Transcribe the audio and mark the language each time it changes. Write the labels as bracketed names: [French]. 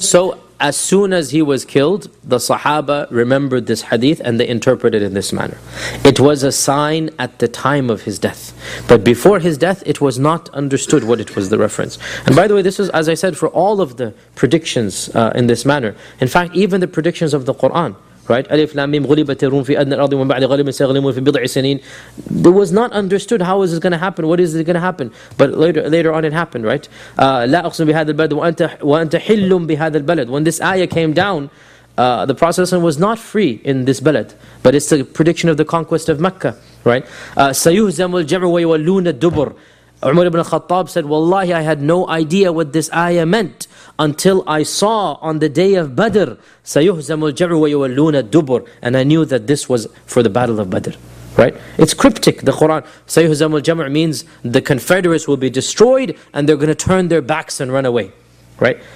[English] So as soon as he was killed, the Sahaba remembered this hadith and they interpreted it in this manner. It was a sign at the time of his death. But before his death, it was not understood what it was the reference. And by the way, this is, as I said, for all of the predictions in this manner. In fact, even the predictions of the Quran. [Arabic] Right, Alif Lam Mim غلبت الروم في أدنى الأرض ومن بعد غلبهم سيغلبون في بضع سنين. [English] It was not understood. How is this going to happen? What is it going to happen? But later on, it happened. [Arabic] Right, لا أقسم بهذا البلد وأنت حل بهذا البلد. [English] When this ayah came down, the Prophet was not free in this balad, but it's the prediction of the conquest of Mecca. [Arabic] Right, سيهزم الجمع ويولون الدبر. [English] Umar ibn al-Khattab said, wallahi, I had no idea what this ayah meant until I saw on the day of Badr, [Arabic] سَيُهْزَمُ الْجَعُ وَيُوَلُّونَ الدُّبُرِ. [English] And I knew that this was for the battle of Badr. Right? It's cryptic, the Quran. [Arabic] سَيُهْزَمُ الْجَعُ [English] means the Confederates will be destroyed and they're going to turn their backs and run away. Right?